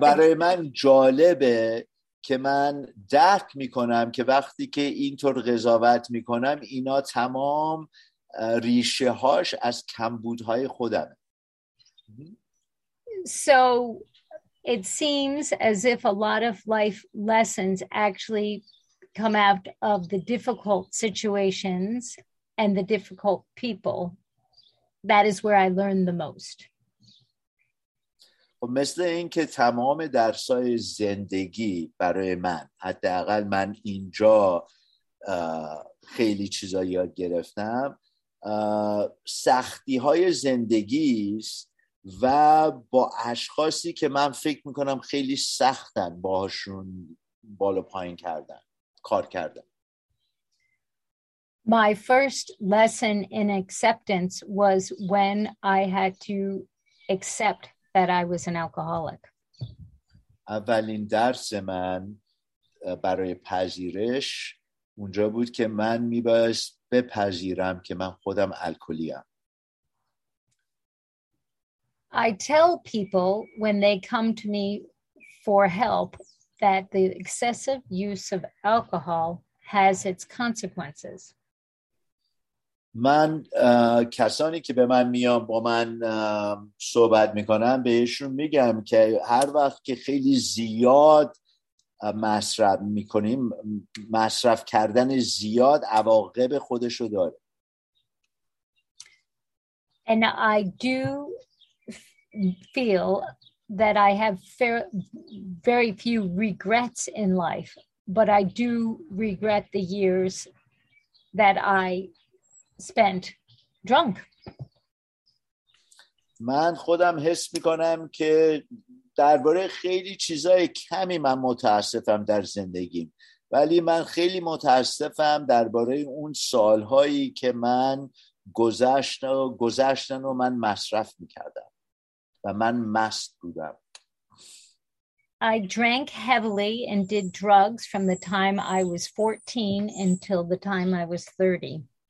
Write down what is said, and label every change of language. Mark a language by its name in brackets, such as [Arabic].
[Persian] برای من جالبه که من درک میکنم که وقتی که اینطور قضاوت میکنم اینا تمام ریشه هاش از کمبودهای خودم. [English] So it seems as if a lot of life lessons actually come out of the difficult situations and the difficult people. That is where I learn the most. [Persian] مثل این که تمام درسای زندگی برای من، حداقل من اینجا خیلی چیزا یاد گرفتم، سختی های زندگی است و با اشخاصی که من فکر میکنم خیلی سختن باهاشون بالا پایین کردن کار کردن. [English] My first lesson in acceptance was when I had to accept that I was an alcoholic. [Persian] اولین درس من برای پذیرش اونجا بود که من میبایست بپذیرم که من خودم الکلیم. [English] I tell people when they come to me for help that the excessive use of alcohol has its consequences. [Persian] من کسانی که به من میان با من صحبت میکنن بهشون میگم که هر وقت که خیلی زیاد مصرف میکنیم مصرف کردن زیاد عواقب خودشو داره. [English] And I do feel that I have very few regrets in life, but I do regret the years that I spent drunk. [Persian] من خودم حس میکنم که درباره خیلی چیزای کمی من متاسفم در زندگیم، ولی من خیلی متاسفم درباره اون سالهایی که من گذشتن و من مصرف میکردم و من مست بودم. [English] I drank heavily and did drugs from the time I was 14 until the time I was 30.